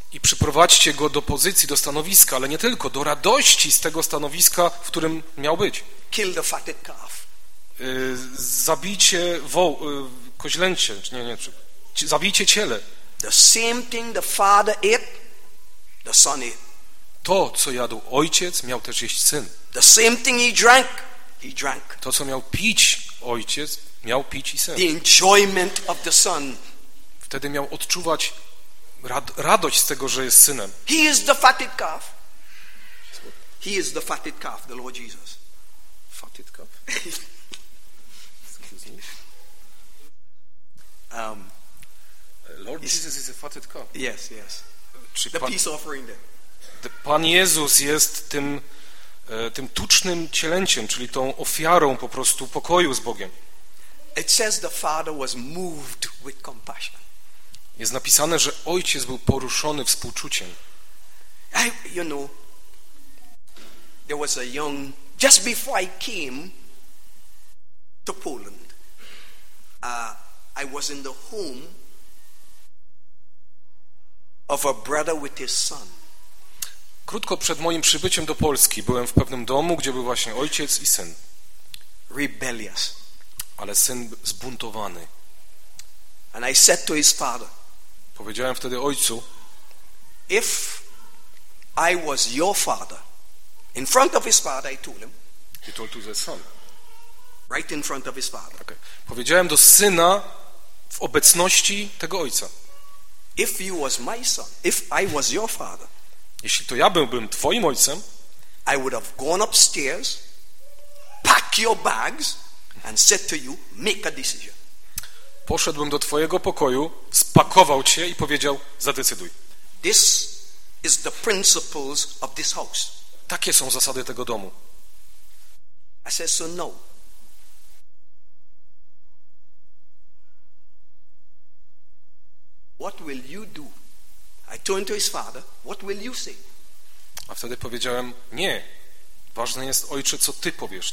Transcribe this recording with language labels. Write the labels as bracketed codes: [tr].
[pl] i przyprowadźcie go do pozycji, do stanowiska, ale nie tylko, do radości z tego stanowiska, w którym miał być. [en] Kill the fatted calf. [pl] Zabijcie koźlęcie, czy nie, zabijcie ciele. [en] The same thing the father ate, the son ate. [pl] To, co jadł ojciec, miał też jeść syn. [en] The same thing he drank. [pl] To, co miał pić ojciec, miał pić i syn. [en] The enjoyment of the son. [pl] Wtedy miał odczuwać radość z tego, że jest synem. [en] He is the fatted calf. He is the fatted calf, the Lord Jesus. Fatted calf? Excuse me. Lord Jesus is a fatted calf. Yes, yes. [pl] Czyli [en] the peace offering there. [pl] Pan Jezus jest tym tucznym cielęciem, czyli tą ofiarą po prostu pokoju z Bogiem. [en] It says the father was moved with compassion. [pl] Jest napisane, że ojciec był poruszony współczuciem. [en] You know, there was a young, just before I came to Poland, I was in the home of a brother with his son. [pl] Krótko przed moim przybyciem do Polski byłem w pewnym domu, gdzie był właśnie ojciec i syn. [en] Rebellious. [pl] Ale syn zbuntowany. [en] And I said to his father, [pl] powiedziałem wtedy ojcu, [en] if I was your father, in front of his father, I told him. He told to the son. Right in front of his father. Okay. [pl] Powiedziałem do syna w obecności tego ojca. [en] If you was my son, if I was your father, [pl] jeśli to ja byłbym twoim ojcem, [en] I would have gone upstairs, pack your bags and said to you, make a decision. [pl] Poszedłbym do twojego pokoju, spakował cię i powiedział, zadecyduj. [en] This is the principles of this house. [pl] Takie są zasady tego domu. [en] I said, so no. What will you do? I turned to his father. What will you say? [pl] A wtedy powiedziałem, nie. Ważne jest, ojcze, co ty powiesz.